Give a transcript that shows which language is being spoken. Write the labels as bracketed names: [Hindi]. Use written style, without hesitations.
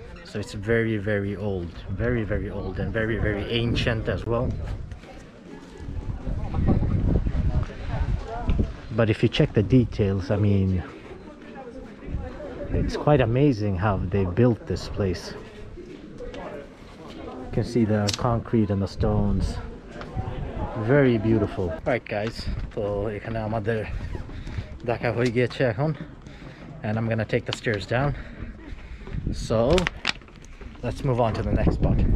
[English] So it's very very old, very very old and very very ancient as well. But if you check the details, I mean, it's quite amazing how they built this place. You can see the concrete and the stones. Very beautiful. All right, guys. [Bangla] So, এখানে আমাদের দেখা হয়ে গেছে এখন. [English] And I'm gonna take the stairs down. So, let's move on to the next spot.